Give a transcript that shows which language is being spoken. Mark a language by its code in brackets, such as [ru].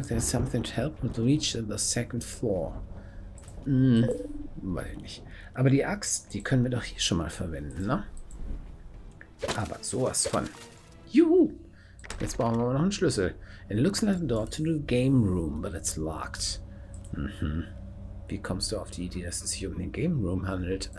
[en] There's something to help me reach the second floor. [de] Weiß ich nicht. Aber die Axt, die können wir doch hier schon mal verwenden, ne? Aber sowas von. Juhu! Jetzt brauchen wir noch einen Schlüssel. [en] It looks like a door to the game room, but it's locked. Mhm. [de] Wie kommst du auf die Idee, dass es sich um den Game Room handelt?